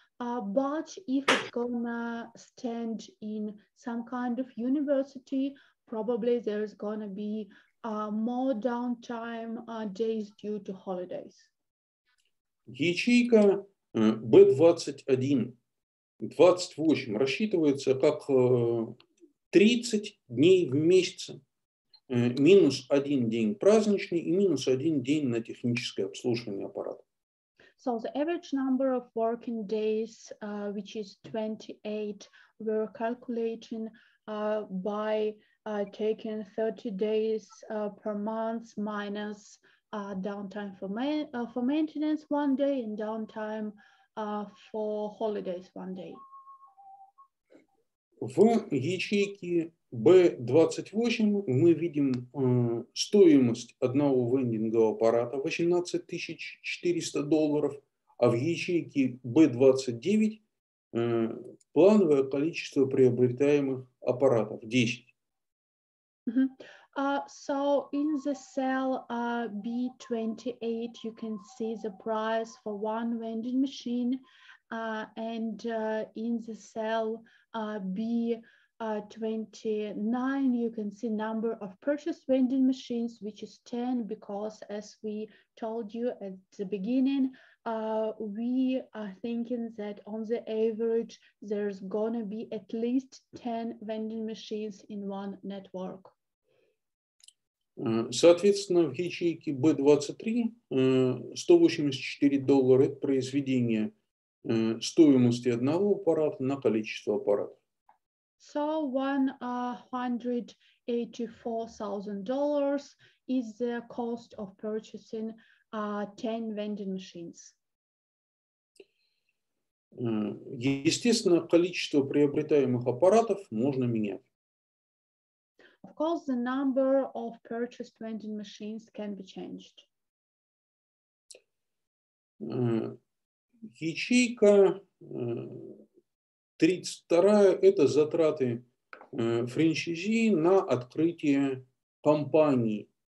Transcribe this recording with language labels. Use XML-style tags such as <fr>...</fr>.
<en>But if it's gonna stand in some kind of university, probably there's gonna be more downtime days due to holidays.</en> <ru>Ячейка B21, 28 рассчитывается как 30 дней в месяц, минус один день праздничный и минус один день на техническое обслуживание аппарата.</ru> <en>So the average number of working days, which is 28, we're calculating by taking 30 days per month minus downtime for maintenance one day and downtime for holidays one day.</en> <ru>В ячейке B28 мы видим стоимость одного вендингового аппарата $18,400, а в ячейке B29 плановое количество приобретаемых аппаратов 10.</ru> <en>So in the cell B28 you can see the price for one vending machine and in the cell B29, you can see number of purchased vending machines, which is 10, because as we told you at the beginning, we are thinking that on the average, there's gonna be at least 10 vending machines in one network.</en> <ru>Соответственно, в ячейке B23 $184 произведение стоимости одного аппарата на количество аппаратов.</ru> <en>So $184,000 is the cost of purchasing 10 vending machines.</en> <ru>Естественно, количество приобретаемых аппаратов можно менять.</ru> <en>Of course, the number of purchased vending machines can be changed.</en> <ru>Ячейка 32 – это затраты франшизи на открытие компании.</ru>